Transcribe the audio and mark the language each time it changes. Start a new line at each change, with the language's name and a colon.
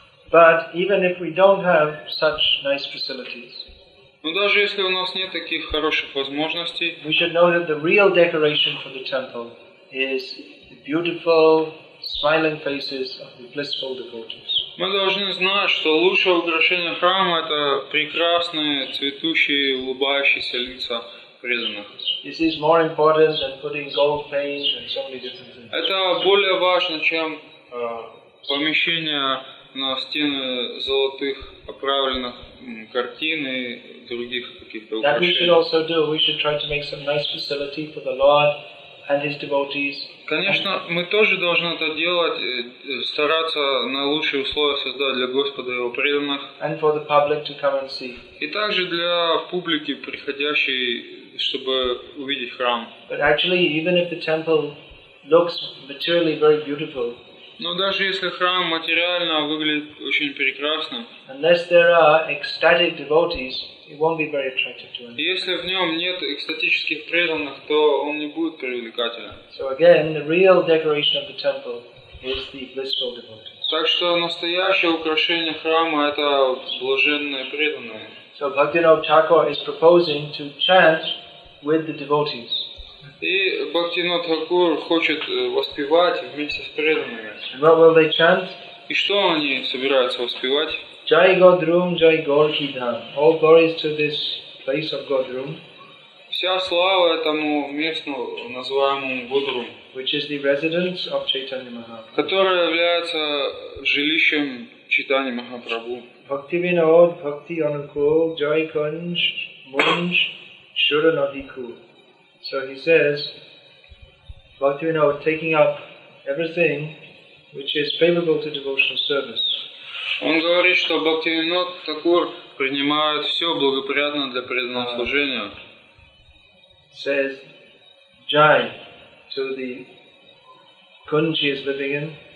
English: But even if we don't have such nice facilities,
Russian: но даже если у нас нет таких хороших возможностей,
English: we should know that the real decoration for the temple is the beautiful smiling faces of the blissful devotees.
Russian: Мы должны знать, что лучшее украшение храма это прекрасные цветущие улыбающиеся лица.
English: This is more important than putting gold paint and so many different things.
Russian: Это более важно, чем помещение на стены золотых оправленных картин и других каких-то украшений.
English: That we should also do. We should try to make some nice facility for the Lord and his devotees.
Russian: Конечно, мы тоже должны это делать, стараться на лучшие условия создать для Господа и его преданных.
English: And for the public to come and see.
Russian: И также для публики, приходящей чтобы увидеть храм.
English: But actually, even if the temple looks materially very beautiful,
Russian: но даже если храм материально выглядит очень прекрасно,
English: unless there are ecstatic devotees, it won't be very attractive to anyone.
Russian: Если в нем нет экстатических преданных, то он не будет привлекателен.
English: So again, the real decoration of the temple is the blissful devotees.
Russian: Так что настоящее украшение храма — это блаженные преданные.
English: So Bhaktivinoda Thakur is proposing to chant with the devotees.
Russian: И Бхактивинода Тхакур хочет воспевать вместе с преданными.
English: And what will they chant?
Russian: И что они собираются воспевать?
Bangla: Jai Godrum, Jai Gorki Dham.
English: All glories to this place of Godrum.
Russian: Вся слава этому месту, называемому Годрум,
English: which is the residence of Chaitanya Mahaprabhu,
Russian: которая является жилищем Чайтаньи Махапрабху.
Bangla: Bhakti Vinod, Bhakti Anukul, Jai Kunj, Munj, Shuranadikul.
English: So he says, Bhakti Vinod taking up everything which is favorable to devotional service.
Russian: Он говорит, что Bhakti Vinod Thakur принимает все благоприятно для преданного служения.
English: Says, Jai to the Kunj he is living in.